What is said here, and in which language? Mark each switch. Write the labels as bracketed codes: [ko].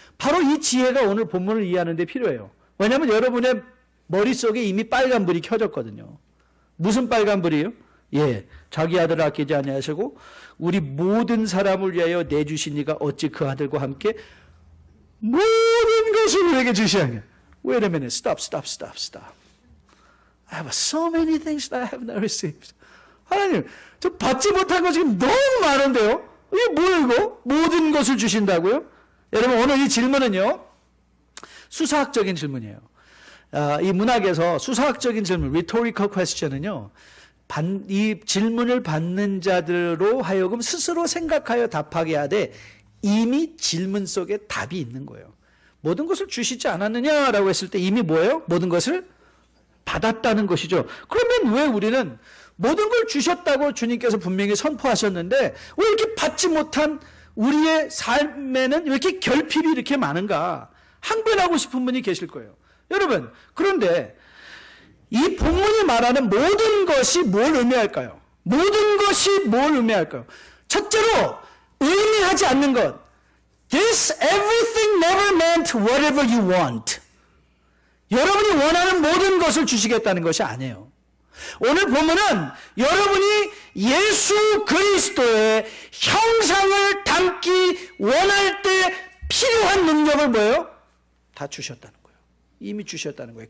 [ko] 바로 이 지혜가 오늘 본문을 이해하는 데 필요해요. 왜냐하면 여러분의 머릿속에 이미 빨간불이 켜졌거든요. 무슨 빨간불이에요? 예, 자기 아들을 아끼지 아니하시고 우리 모든 사람을 위하여 내주신 이가 어찌 그 아들과 함께 모든 것을 우리에게 주시하냐. [en] Wait a minute. Stop, stop, stop, stop. I have so many things that I have not received. [ko] 하나님, 저 받지 못한 거 지금 너무 많은데요. 이게 뭐예요, 이거? 모든 것을 주신다고요? 여러분, 오늘 이 질문은요, 수사학적인 질문이에요. 이 문학에서 수사학적인 질문, rhetorical question은요, 이 질문을 받는 자들로 하여금 스스로 생각하여 답하게 하되 이미 질문 속에 답이 있는 거예요. 모든 것을 주시지 않았느냐라고 했을 때 이미 뭐예요? 모든 것을 받았다는 것이죠. 그러면 왜 우리는 모든 걸 주셨다고 주님께서 분명히 선포하셨는데 왜 이렇게 받지 못한 우리의 삶에는 왜 이렇게 결핍이 이렇게 많은가? 항변하고 싶은 분이 계실 거예요. 여러분, 그런데 이 본문이 말하는 모든 것이 뭘 의미할까요? 모든 것이 뭘 의미할까요? 첫째로 의미하지 않는 것. [en] This everything never meant whatever you want. [ko] 여러분이 원하는 모든 것을 주시겠다는 것이 아니에요. 오늘 본문은 여러분이 예수 그리스도의 형상을 담기 원할 때 필요한 능력을 뭐예요? 다 주셨다는 거예요. 이미 주셨다는 거예요.